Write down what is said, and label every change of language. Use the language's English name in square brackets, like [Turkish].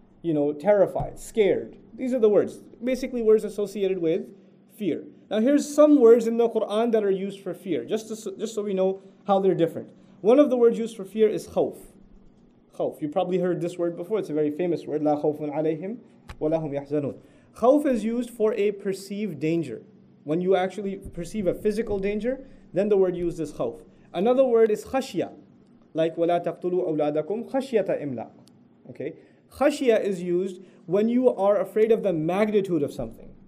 [English] you know, terrified, scared. These are the words, basically words associated with fear. Now here's some words in the Quran that are used for fear, just so we know how they're different. One of the words used for fear is khawf. Khawf, you probably heard this word before, it's a very famous word. [Arabic] لا خوف عليهم ولا هم يحزنون. [English] Khawf is used for a perceived danger. When you actually perceive a physical danger, then the word used is khawf. Another word is khashya, like [Arabic] وَلَا تَقْتُلُوا أَوْلَادَكُمْ خَشْيَةَ إِمْلَاقُ. [English] Okay, khashya is used when you are afraid of the magnitude of something.